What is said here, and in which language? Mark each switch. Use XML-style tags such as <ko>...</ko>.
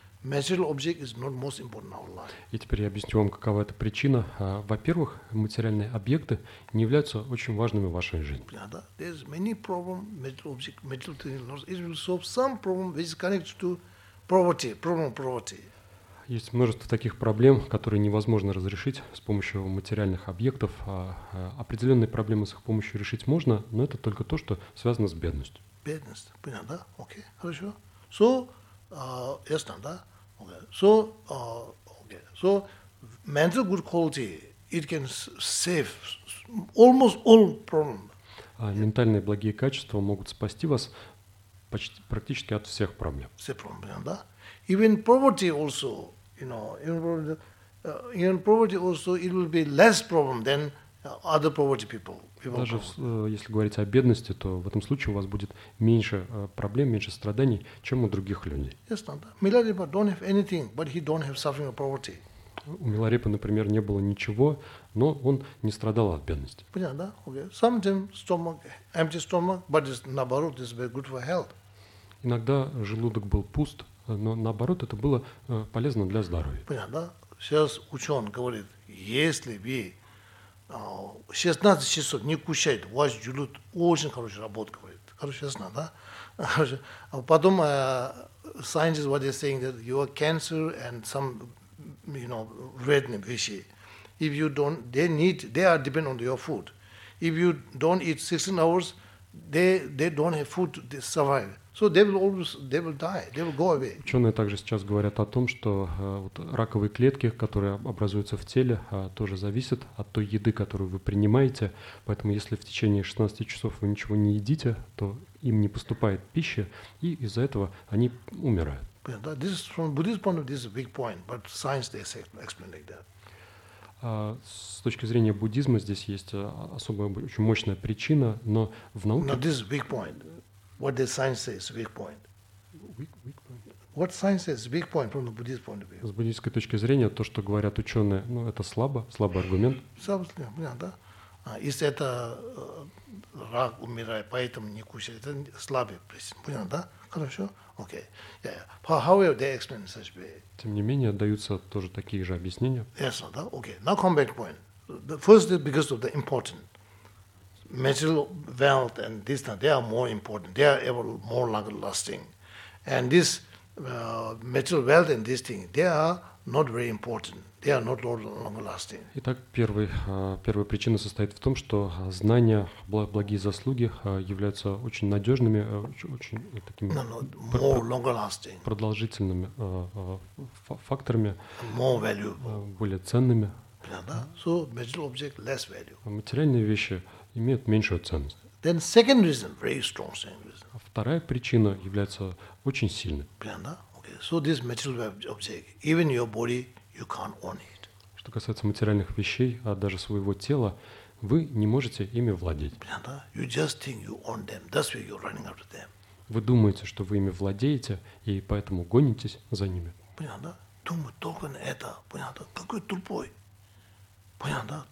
<en>Material object is not most important in our life.</en> <ru>И теперь я объясню вам, какова эта причина. Во-первых, материальные объекты не являются очень важными в вашей жизни. Понятно, да?</ru> <en>There's many problems, material object, material things. It will solve some problem which is connected to poverty, problem of poverty.</en> <ru>Есть множество таких проблем, которые невозможно разрешить с помощью материальных объектов. Определенные проблемы с их помощью решить можно, но это только то, что связано с бедностью. Бедность, понятно, да? Окей, хорошо. So, ясно, да? Okay.</ru> <en>So, okay. So, mental good quality, it can save almost all problems.</en> <ru>Ментальные благие качества могут спасти вас почти, практически от всех проблем. Все проблемы, да?</ru> <en>Even poverty also, you know, even poverty also, it will be less problem than other poverty people.</en> <ru>Даже если говорить о бедности, то в этом случае у вас будет меньше проблем, меньше страданий, чем у других людей. Yes, no, да.</ru> <en>Миларепа don't have anything, but he don't have suffering of poverty.</en> <ru>У Миларепы, например, не было ничего, но он не страдал от бедности. Понятно, да? Okay.</ru> <en>Sometimes stomach, empty stomach, but it's, наоборот, it's very good for health.</en> <ru>Иногда желудок был пуст, но наоборот, это было полезно для здоровья. Понятно, да? Сейчас ученый говорит, если вы 16 часов не кушает, ваш желудок очень хорошая работа, говорит. Хорошо, ясно, да? А потом</ru> <en>scientists, what they're saying, that your cancer and some, you know,</en> <ru>вредные вещи,</ru> <en>if you don't, they need, they are depend on your food. If you don't eat 16 hours, they don't have food to survive. So they will always, they will die, they will go away.</en> <ru>Ученые также сейчас говорят о том, что вот раковые клетки, которые образуются в теле, тоже зависят от той еды, которую вы принимаете. Поэтому если в течение 16 часов вы ничего не едите, то им не поступает пища, и из-за этого они умирают.</ru> <en>This is from Buddhist point of view, this is a big point, but science they explain like that.</en> <ru>С точки зрения буддизма здесь есть особая, очень мощная причина, но в науке...</ru> <en>No, this is a big point. What the science says, big point. Weak point. What science says, big point from the Buddhist point of view.</en> <ru>С буддийской точки зрения, то, что говорят ученые, ну, это слабо, слабый аргумент. Собственно, понятно, да? Если это рак умирает, поэтому не кушает, это слабый признак, понятно, да? Хорошо? Окей.</ru> <en>Okay. Yeah. However, they explain such way.</en> <ru>Тем не менее, даются тоже такие же объяснения.</ru> <en>Yes,</en> <ru>да? Окей.</ru> <en>Okay. Now come back point. The first is because of the important. Material wealth and this and they are more important. They are ever more longer lasting. And this material wealth and this thing, they are not very important. They are not longer lasting.</en> <ru>Итак, первая причина состоит в том, что знания, благие заслуги являются очень надежными, очень такими продолжительными факторами,</ru> <en>more valuable.</en> <ru>Более ценными.</ru> <en>So material object less value.</en> <ru>Материальные вещи имеют меньшую ценность.</ru> <en>Then second reason, very strong second reason.</en> <ru>Вторая причина является очень сильной. Понятно? Okay.</ru> <en>So this material object, even your body, you can't own it.</en> <ru>Что касается материальных вещей, а даже своего тела, вы не можете ими владеть. Понятно?</ru> <en>You just think you own them. That's why you're running after them.</en> <ru>Вы думаете, что вы ими владеете, и поэтому гонитесь за ними. Понятно? думать только на это, понятно? Какой тупой, понятно?</ru>